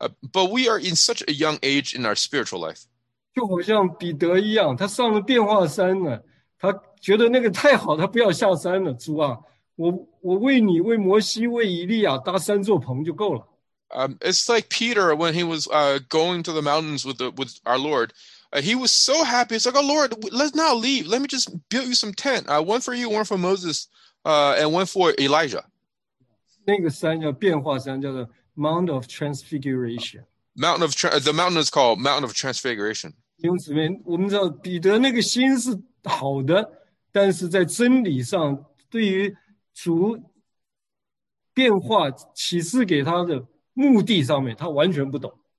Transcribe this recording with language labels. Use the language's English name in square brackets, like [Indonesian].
[English] But we are in such a young age in our spiritual life. [Chinese] 就好像彼得一样, 他上了变化山了。他觉得那个太好,他不要下山了, 主啊, 我为你, 为摩西, 为以利亚, 搭三座棚就够了。 [English] It's like Peter when he was going to the mountains with our Lord. He was so happy. It's like, oh Lord, let's not leave. Let me just build you some tent. One for you, one for Moses, and one for Elijah. [Chinese] 那个山叫变化山, 叫做 Mount of Transfiguration. [English] The mountain is called Mountain of Transfiguration. [Chinese] 弟兄姊妹,我们知道彼得那个心是好的, 但是在真理上,对于主变化启示给他的, 目的上面他完全不懂。